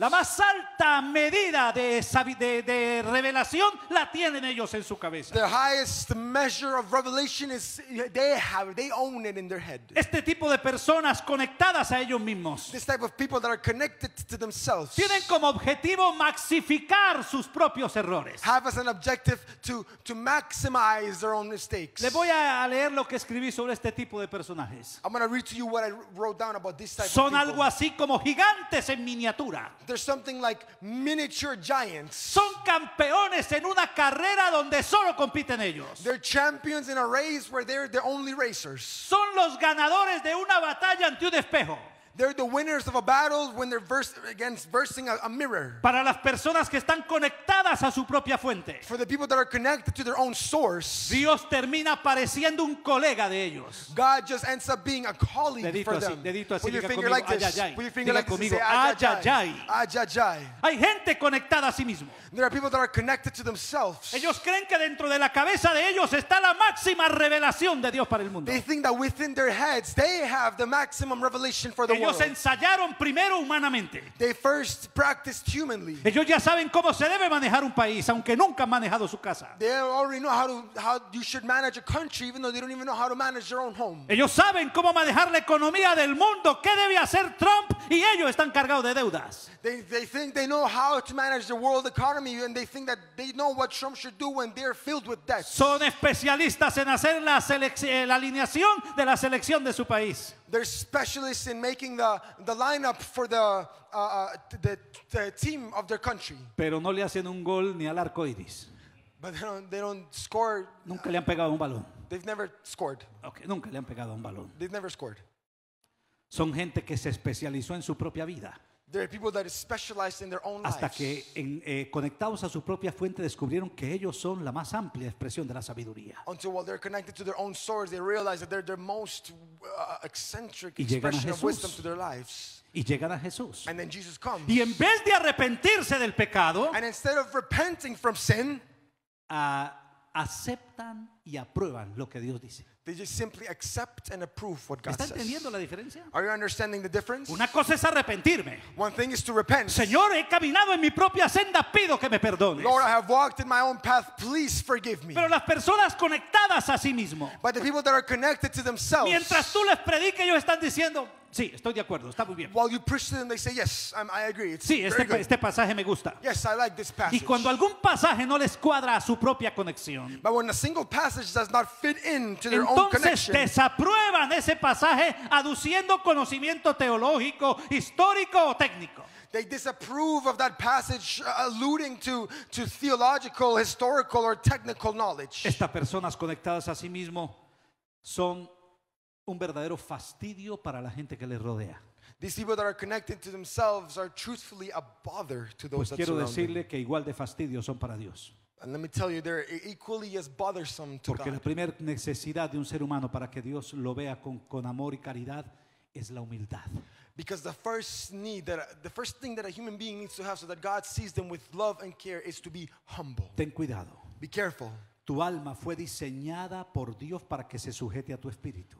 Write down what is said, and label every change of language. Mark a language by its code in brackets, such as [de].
[es] La más alta medida de revelación la tienen ellos en su cabeza. [en] The highest measure of revelation is they own it in their head. [es] Este tipo de personas conectadas a ellos mismos. [en] This type of people that are connected to themselves. [es] Tienen como objetivo maxificar sus propios errores. [en] Have as an objective to maximize their own mistakes. [es] Le voy a leer lo que escribí sobre este tipo de personajes. [en] I'm going to read to you what I wrote down about this type [es] son [en] of people. [es] Son algo así como gigantes en miniatura. [en] They're something like miniature giants. [es] Son campeones en una carrera donde solo compiten ellos. [en] They're champions in a race where they're the only racers. [es] Son los ganadores de una batalla ante un espejo. [en] They're the winners of a battle when they're versing a mirror. [es] Para las personas que están conectadas a su propia fuente. [en] For the people that are connected to their own source. [es] Dios termina pareciendo un colega de ellos. [en] God just ends up being a colleague [es] dedito [en] for [es] así, [en] them. [es] Dedito así, [en] put your finger like this. Ayayay. Put your finger [es] diga [en] like this. say, ayayay. Ayayay. [es] Hay gente conectada a sí mismo. [en] There are people that are connected to themselves. [es] Ellos creen que dentro de la cabeza de ellos está la máxima revelación de Dios para el mundo. [en] They think that within their heads they have the maximum revelation for the world. [es] Ellos ensayaron primero humanamente. [en] They first practiced humanly. [es] Ellos ya saben cómo se debe manejar un país, aunque nunca han manejado su casa. [en] They already know how you should manage a country, even though they don't even know how to manage their own home. [es] Ellos saben cómo manejar la economía del mundo, qué debe hacer Trump, y ellos están cargados de deudas. [en] They think they know how to manage the world economy, and they think that they know what Trump should do when they're filled with debt. [es] Son especialistas en hacer la alineación de la selección de su país. [en] They're specialists in making the lineup for the team of their country. [es] Pero no le hacen un gol ni al arco iris. [en] But they don't score. [es] Nunca le han pegado un balón. [en] They've never scored. [es] Okay, nunca le han pegado un balón. [en] They've never scored. [es] Son gente que se especializó en su propia vida. [en] There are people that are specialized in their own [es] hasta [en] lives. [es] Que en, conectados a su propia fuente descubrieron que ellos son la más amplia expresión de la sabiduría. [en] Until while they're connected to their own source, they realize that they're their most eccentric [es] y [en] expression of wisdom to their lives. [es] Y llegan a Jesús. [en] And then Jesus comes. [es] Y en vez de arrepentirse del pecado, [en] and instead of repenting from sin, [es] aceptan y aprueban lo que Dios dice. [en] They just simply accept and approve what God [es] says. ¿Está entendiendo la diferencia? [en] Are you understanding the difference? [es] Una cosa es arrepentirme. [en] One thing is to repent. [es] Señor, he caminado en mi propia senda, pido que me perdones. [en] Lord, I have walked in my own path, please forgive me. [es] Pero las personas conectadas a sí mismo. [en] But the people that are connected to themselves. [es] Mientras tú les prediques, ellos están diciendo, sí, estoy de acuerdo, está muy bien. [en] While you preach to them, they say, yes, I agree. It's [es] sí, este pasaje me gusta. [en] Yes, I like this passage. [es] Y cuando algún pasaje no les cuadra a su propia conexión. [en] But when a single passage does not fit into their [es] entonces desaprueban ese pasaje aduciendo conocimiento teológico, histórico o técnico. [en] They disapprove of that passage alluding to theological, historical or technical knowledge. [es] Estas personas conectadas a sí mismo son un verdadero fastidio para la gente que les rodea. [en] These people that are connected to themselves are truthfully a bother to those [es] pues quiero decirle que igual de fastidio son para Dios. [en] And let me tell you, they're equally as bothersome to [es] porque [en] God. [es] La primera necesidad de un ser humano para que Dios lo vea con amor y caridad es la humildad. [en] Because the first thing that a human being needs to have so that God sees them with love and care is to be humble. [es] Ten cuidado. [en] Be careful. [es] Tu alma fue diseñada por Dios para que se sujete a tu espíritu.